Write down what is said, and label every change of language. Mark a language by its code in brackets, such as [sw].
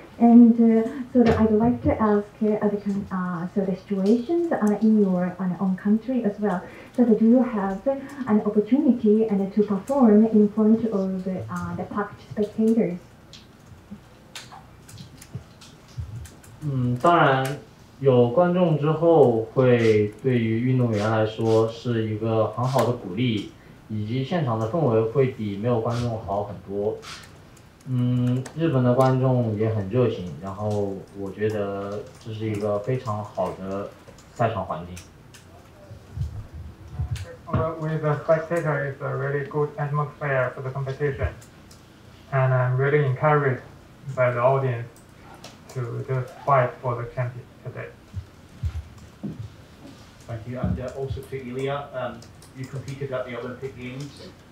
[en] And I'd like to ask the situations in your own country as well. So do you have an opportunity to perform in front of the packed spectators? [zh] 当然有观众之后会对于运动员来说是一个很好的鼓励，以及现场的氛围会比没有观众好很多。日本的观众也很热情，然后我觉得这是一个非常好的赛场环境。 [en] With the spectator is a really good atmosphere for the competition, and I'm really encouraged by the audience. To just fight for the champion today. Thank you. And also to Illia, you competed at the Olympic Games.